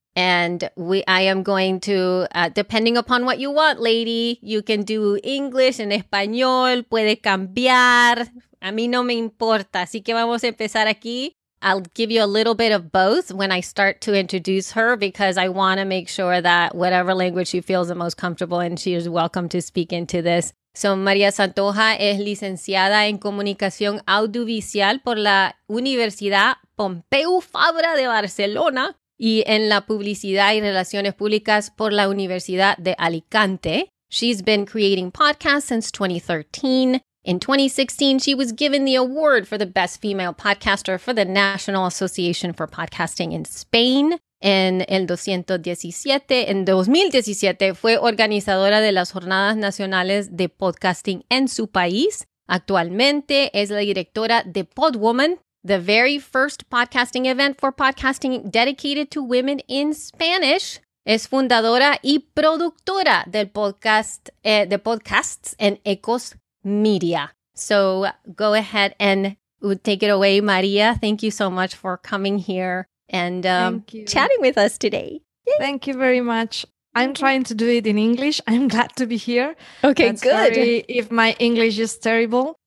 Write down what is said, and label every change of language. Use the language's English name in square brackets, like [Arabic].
[English] And I am going to, depending upon what you want, lady, you can do English [Spanish] en español, puede cambiar. A mí no me importa. Así que vamos a empezar aquí. [English] I'll give you a little bit of both when I start to introduce her, because I want to make sure that whatever language she feels the most comfortable in, she is welcome to speak into this. [Spanish] So María Santoja es licenciada en Comunicación Audiovisual por la Universidad Pompeu Fabra de Barcelona y en la Publicidad y Relaciones Públicas por la Universidad de Alicante. [English] She's been creating podcasts since 2013. In 2016, she was given the award for the best female podcaster for the National Association for Podcasting in Spain. [Spanish] En el 2017, fue organizadora de las Jornadas Nacionales de Podcasting en su país. Actualmente es la directora de Podwoman, [English] the very first podcasting event for podcasting dedicated to women in Spanish. [Spanish] Es fundadora y productora del podcast, de podcasts en Ecos Media. [English] So go ahead and take it away, Maria. Thank you so much for coming here and chatting with us today. Yay. Thank you very much. I'm trying to do it in English. I'm glad to be here. Okay, and good. Sorry if my English is terrible.